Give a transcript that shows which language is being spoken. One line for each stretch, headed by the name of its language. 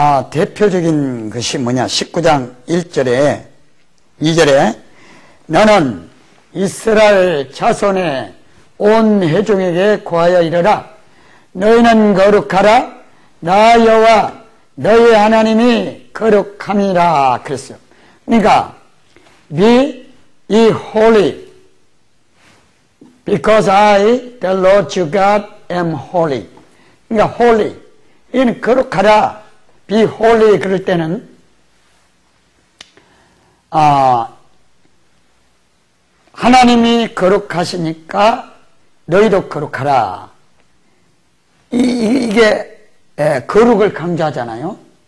Korean: 대표적인 것이 뭐냐? 19장 1절에 2절에 너는 이스라엘 자손의 온 회중에게 고하여 이르라 너희는 거룩하라 나 여호와 너희 하나님이 거룩함이라 그랬어요.
English: 그러니까 be ye holy because I the Lord your God am holy.
Korean: 그러니까 holy 이는 거룩하라 be holy 그럴 때는 하나님이 거룩하시니까 너희도 거룩하라. 이게 거룩을 강조하잖아요.